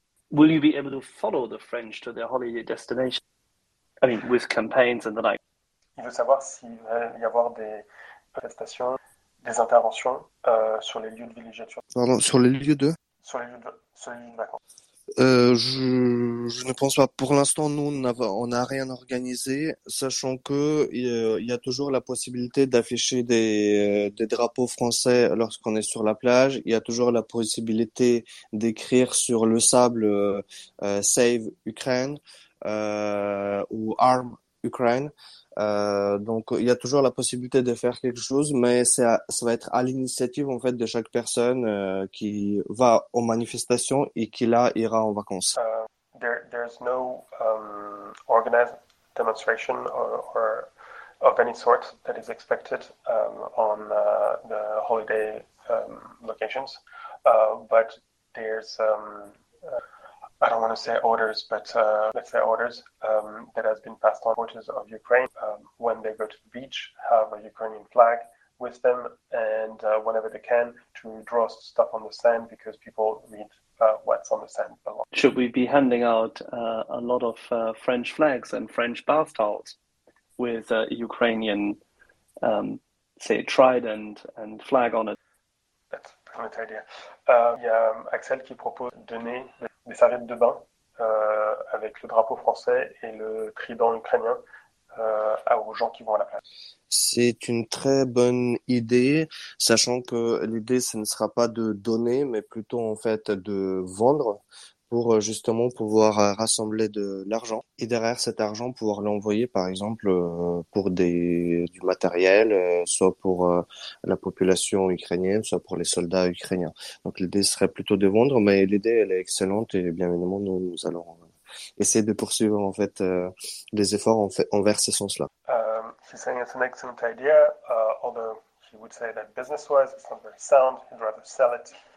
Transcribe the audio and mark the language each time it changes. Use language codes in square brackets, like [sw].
[en] Will you be able to follow the French to their holiday destination? I mean, with campaigns and the like. [fr] Il veut savoir s'il va y avoir des manifestations. Des interventions sur les lieux de villégiature. Pardon, sur les lieux de. Sur les lieux de vacances. Je ne pense pas. Pour l'instant, nous, on n'a rien organisé, sachant que il y a toujours la possibilité d'afficher des drapeaux français lorsqu'on est sur la plage. Il y a toujours la possibilité d'écrire sur le sable [en] Save Ukraine [fr] ou [en] Arm Ukraine. [fr] Donc il y a toujours la possibilité de faire quelque chose, mais ça va être à l'initiative en fait de chaque personne qui va aux manifestations et qui là ira en vacances. [en] There's no organized demonstration or of any sort that is expected on the holiday locations, but there's I don't want to say orders, but let's say orders that has been passed on voters of Ukraine when they go to the beach, have a Ukrainian flag with them, and whenever they can, to draw stuff on the sand because people read what's on the sand below. Should we be handing out a lot of French flags and French bath towels with a Ukrainian, say, trident and flag on it? That's a great idea. [fr] Yeah, Axel qui propose de donner des serviettes de bain avec le drapeau français et le trident ukrainien aux gens qui vont à la plage. C'est une très bonne idée, sachant que l'idée, ce ne sera pas de donner, mais plutôt en fait de vendre pour justement pouvoir rassembler de l'argent. Et derrière cet argent, pouvoir l'envoyer, par exemple, pour du matériel, soit pour la population ukrainienne, soit pour les soldats ukrainiens. Donc l'idée serait plutôt de vendre, mais l'idée, elle est excellente, et bien évidemment, nous allons essayer de poursuivre, en fait, les efforts envers ce sens-là. [en] She's saying it's an excellent idea, although she would say that business-wise, it's not very sound, he'd rather sell it.